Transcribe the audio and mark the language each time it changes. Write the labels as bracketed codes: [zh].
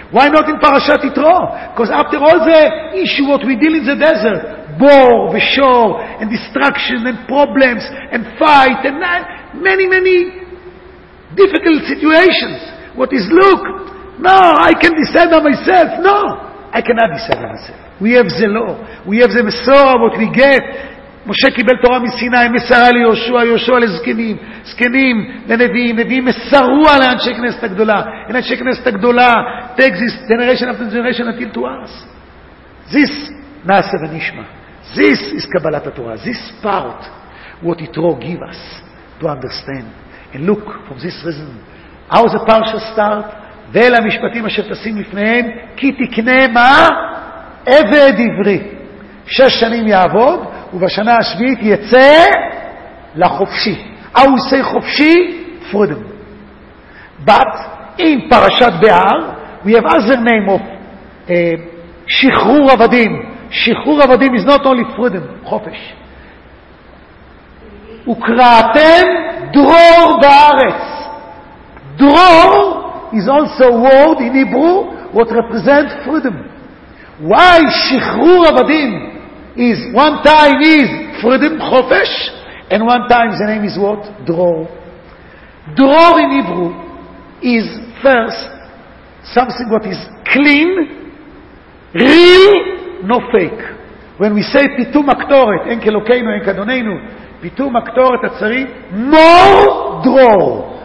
[en] Why not in Parashat Yitro? Because after all the issue what we deal in the desert, bor, v'shor, and destruction, and problems, and fight, and many, many difficult situations. What is look? No, I can descend on myself. No, I cannot descend on myself. We have the law. We have the Mesorah, what we get. [he] Moshe kibel Torah מסיני, מסרה ליהושע, יהושע לזקנים, זקנים לנביאים, נביאים מסרו על אנשי כנסת הגדולה, and אנשי כנסת הגדולה [en] take this generation after generation until to us. [he] This נעשה ונשמע. [en] This is קבלת התורה. This part what Yitro give us to understand. And look from this reason. How the parsha start? [he] ואל המשפטים אשר תשים לפניהם, כי תקנה מה? עבד עברי. שש שנים יעבוד, ובשנה השביעית יצא לחופשי. [en] How we say חופשי? Freedom. But in פרשת בהר, we have other name of שחרור עבדים. שחרור עבדים is not only freedom, חופש. [he] וקראתם דרור בארץ. [en] דרור is also a word in Hebrew what represents freedom. Why שחרור עבדים? Is one time is freedom, chofesh, and one time the name is what? Dror. Dror in Hebrew is first something what is clean, real, no fake. When we say pitum aktoret, enke lokeinu, enke adoneinu, pitum aktoret atzari, more dror.